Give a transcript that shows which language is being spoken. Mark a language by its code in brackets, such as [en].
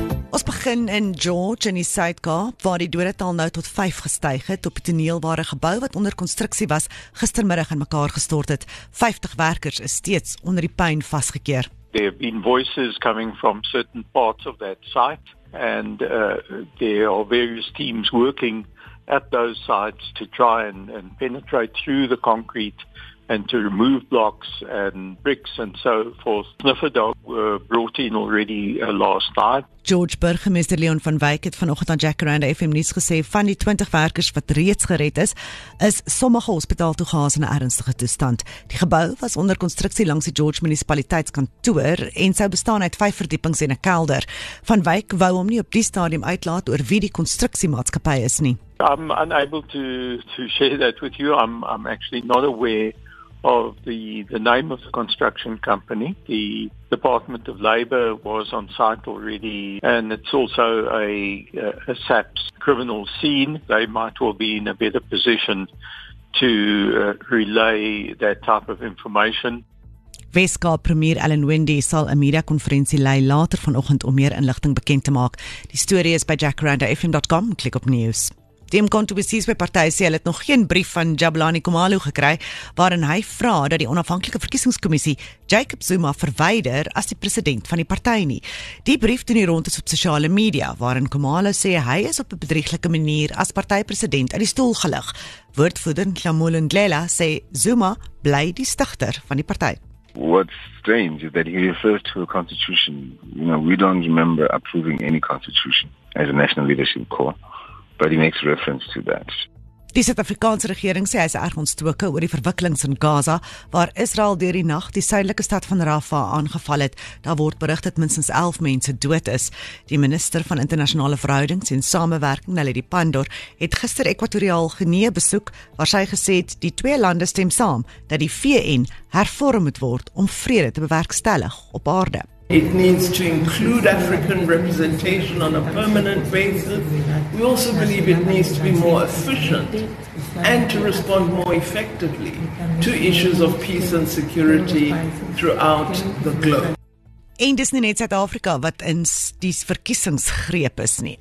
[af] Ons begin in George in die Suid-Kaap waar die dodetal nou tot 5 gestyg het op die toneel waar 'n gebou wat onder konstruksie was gistermiddag in mekaar gestort het. 50 werkers is steeds onder die puin vasgekeer. [en] There have been voices coming from certain parts of that site and there are various teams working at those sites to try and penetrate through the concrete and to remove blocks and bricks and so forth. Sniffer dogs were brought in already last night. [af] George Burgemeester Leon van Wyk het vanoggend aan Jacaranda FM nuus gesê van die 20 werkers wat reeds gered is, is sommige hospitaal toegehaas in 'n ernstige toestand. Die gebou was onder konstruksie langs die George munisipaliteitskantoor en sou bestaan uit 5 verdiepings en 'n kelder. Van Wyk wou hom nie op die stadium uitlaat oor wie die konstruksiemaatskappy is nie. [en] I'm unable to share that with you. I'm actually not aware of the name of the construction company. The Department of Labor was on site already, and it's also a SAPS criminal scene. They might well be in a better position to relay that type of information. [af] Weskaap premier Ellen Wendy sal 'n media konferensie lei later vanoggend om meer inligting bekend te maak. Die storie is by jacaranda.fm.com. Klik op news. Die Mkhonto Wesizwe party sê hulle het nog geen brief van Jabulani Khumalo gekry waarin hy vra dat die onafhanklike verkiesingskommissie Jacob Zuma verwyder as die president van die party nie. Die brief doen die rondes op sosiale media waarin Khumalo sê hy is op 'n bedrieglike manier as partypresident uit die stoel gelig. Woordvoerder Nhlamulo Ndlela sê Zuma bly die stigter van die party. [en] What's strange is that he refers to a constitution. You know, we don't remember approving any constitution as a national leadership core. But he makes reference to that. [af] Die Suid-Afrikaanse regering sê hy is erg ontstoke oor die verwikkelings in Gaza, waar Israel deur die nag die suidelike stad van Rafah aangeval het. Daar word berig dat minstens 11 mense dood is. Die minister van internasionale verhoudings en samewerking, Naledi Pandor, het gister Ekwatoriaal Guinea besoek, waar sy gesê het die twee lande stem saam dat die VN hervorm moet word om vrede te bewerkstellig op aarde. [en] It needs to include African representation on a permanent basis. We also believe it needs to be more efficient and to respond more effectively to issues of peace and security throughout the globe. [af] En dis nie net Suid-Afrika wat in die verkiesingsgreep is nie.